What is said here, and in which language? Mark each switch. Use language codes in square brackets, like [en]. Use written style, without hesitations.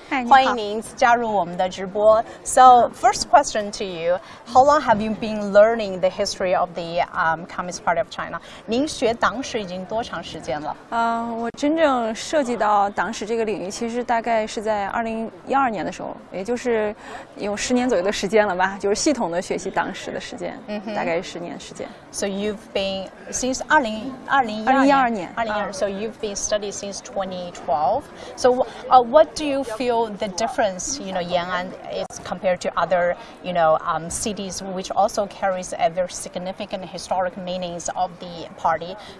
[zh] Hi, 欢迎您加入我们的直播. [en] So first question to you, how long have you been learning the history of the Communist Party of China? [zh] 您学党史已经多长时间了? 我真正涉及到党史这个领域其实大概是在2012年的时候, 也就是有10年左右的时间了吧, 就是系统的学习党史的时间, mm-hmm. 大概是10年时间。 [en] So you've been since 2012, so you've been studying since 2012. So what do you feel the difference, you know, Yan'an is compared to other, you know, cities which also carries a very significant historic meanings of the party?